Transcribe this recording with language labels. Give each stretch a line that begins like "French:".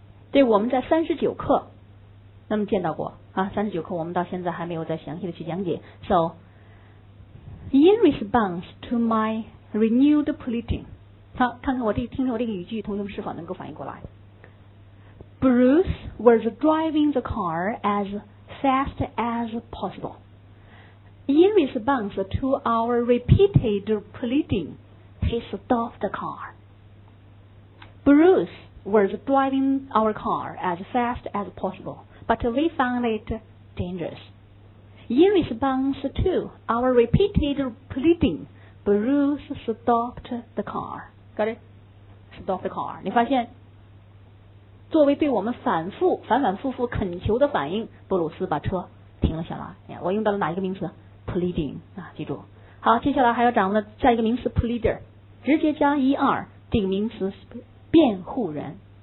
Chinese: 对我们在39课那么见到过啊39课我们到现在还没有再详细的去讲解
English: So In response to my renewed pleading
Chinese: 好看看我这听着我这个语句同学们是否能够反应过来
English: Bruce was driving the car as fast as possible In response to our repeated pleading he stopped the car BruceWas driving our car as fast as possible, but we found it dangerous. In response to our repeated pleading, Bruce stopped the car. Got it? Stop the car.
Chinese: 你发现，作为对我们反反复复恳求的反应，布鲁斯把车停了下来。我用到了哪一个名词 ？Pleading 啊，记住。好，接下来还要掌握的下一个名词 pleader， 直接加 er 顶名词。辩护人